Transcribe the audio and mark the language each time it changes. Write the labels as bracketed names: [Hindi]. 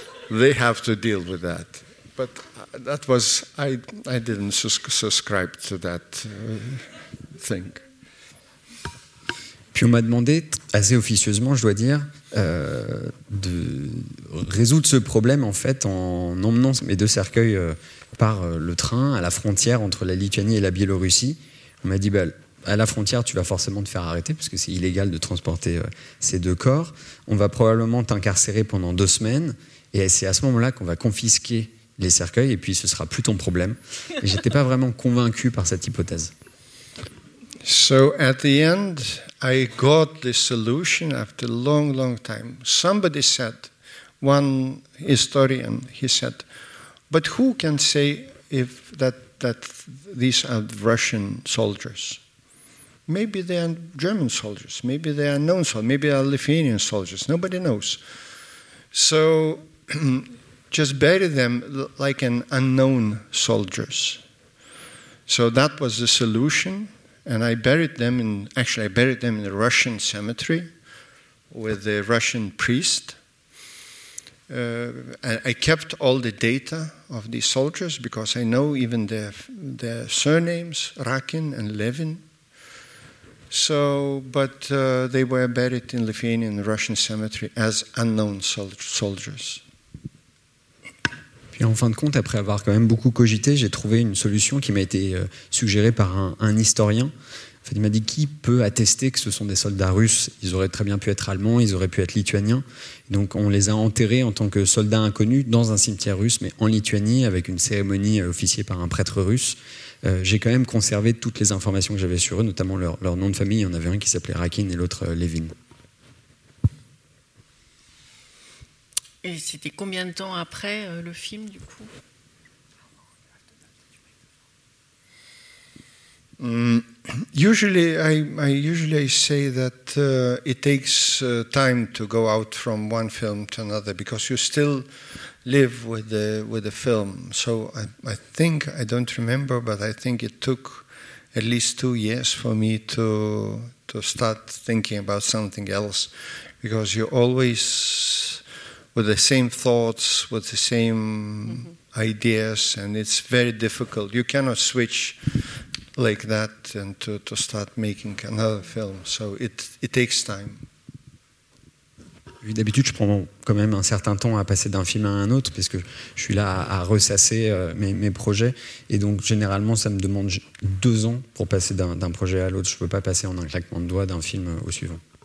[English] They have to deal with that. But that was, I didn't subscribe to that thing. [French] Puis on m'a demandé, assez officieusement, je dois dire, de résoudre ce problème en fait en emmenant mes deux cercueils par le train à la frontière entre la Lituanie et la Biélorussie. On m'a dit, bah, à la frontière, tu vas forcément te faire arrêter parce que c'est illégal de transporter ces deux corps. On va probablement t'incarcérer pendant 2 semaines et c'est à ce moment-là qu'on va confisquer les cercueils et puis ce sera plus ton problème. Et j'étais pas vraiment convaincu par cette hypothèse. [English] So at the end, I got the solution after a long, long time. Somebody said, one historian, he said, but who can say if that these are Russian soldiers? Maybe they are German soldiers, maybe they are known soldiers, maybe they are Lithuanian soldiers, nobody knows. So just bury them like an unknown soldiers. So that was the solution. And I buried them in a Russian cemetery with a Russian priest. I kept all the data of these soldiers because I know even their surnames, Rakin and Levin. But they were buried in Lithuanian and Russian cemetery as unknown soldiers. [French] Et en fin de compte, après avoir quand même beaucoup cogité, j'ai trouvé une solution qui m'a été suggérée par un historien. En fait, il m'a dit, qui peut attester que ce sont des soldats russes? Ils auraient très bien pu être allemands, ils auraient pu être lituaniens. Donc on les a enterrés en tant que soldats inconnus dans un cimetière russe, mais en Lituanie, avec une cérémonie officiée par un prêtre russe. J'ai quand même conservé toutes les informations que j'avais sur eux, notamment leur nom de famille. Il y en avait un qui s'appelait Rakin et l'autre Levin. Et c'était combien de temps après le film, du coup? [English] Usually I say that it takes time to go out from one film to another because you still live with the film. So I think it took at least 2 years for me to start thinking about something else because you always with the same thoughts, with the same ideas, and it's very difficult. You cannot switch like that and to start making another film. So it takes time. [French] D'habitude, je prends quand même un certain temps à passer d'un film à un autre, parce que je suis là à ressasser mes projets. Et donc, généralement, ça me demande 2 ans pour passer d'un projet à l'autre. Je ne peux pas passer en un claquement de doigts d'un film au suivant.